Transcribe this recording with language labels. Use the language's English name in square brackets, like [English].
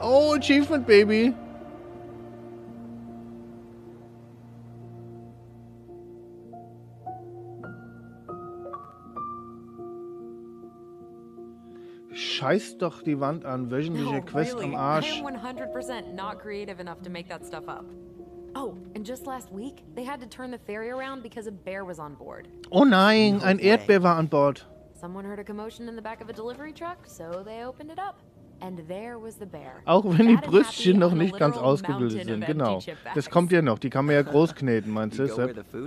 [German] Oh, Achievement, Baby! Scheiß doch die Wand an, wöchentliche Quest am Arsch. [English] I'm 100% not creative enough to make that stuff up. Oh, and just last week, they had to turn the ferry around because a bear was on board. [German] Oh nein, ein Erdbeer war an Bord. [English] Someone heard a commotion in the back of a delivery truck, so they opened it up. And there was the bear. [German] Auch wenn die Brüstchen noch nicht ganz ausgebildet sind, genau. Das kommt ja noch, die kann man ja groß kneten, meinst du, Sepp?